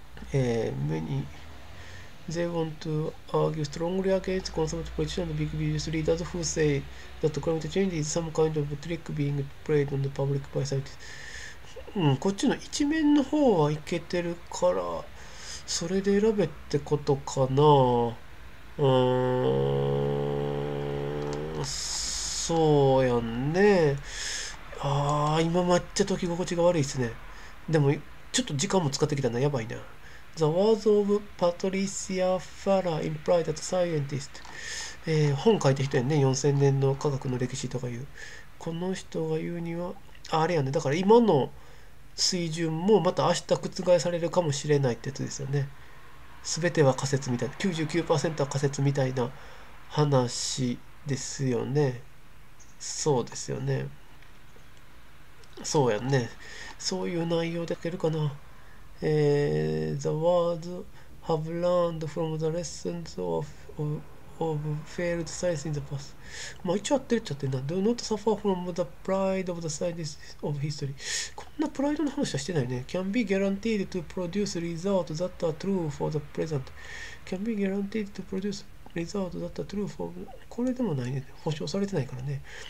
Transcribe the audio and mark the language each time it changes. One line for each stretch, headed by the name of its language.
English: many they want to argue strongly against conservative politicians and big business leaders who say that climate change is some kind of trick being played on the public by scientists。
Japanese: こっちの一面の方はいけてるから、それで選べってことかな。そうやんね。ああ、今抹茶と着心地が悪いっすね。でも、ちょっと時間も使ってきたな、やばいな。
English: The words of Patricia Farah imply that scientist。
Japanese: 本書いた人やんね、4000年の科学の歴史とかいう。この人が言うには、あれやね、だから今の水準もまた明日覆されるかもしれないってやつですよね。全ては仮説みたいな、99%は仮説みたいな話。ですよね。そうですよね。そうやんね。そういう内容でいけるかな。
English: The world have learned from the lessons of failed science in the past。
Japanese: まあ一応合ってるっちゃってな。
English: Do not suffer from the pride of the scientists of history。
Japanese: こんなプライドの話はしてないね。
English: Can be guaranteed to produce results that are true for the present。 Can be guaranteed to produce Result that are true for
Japanese: これでもないね。保証されてないからね。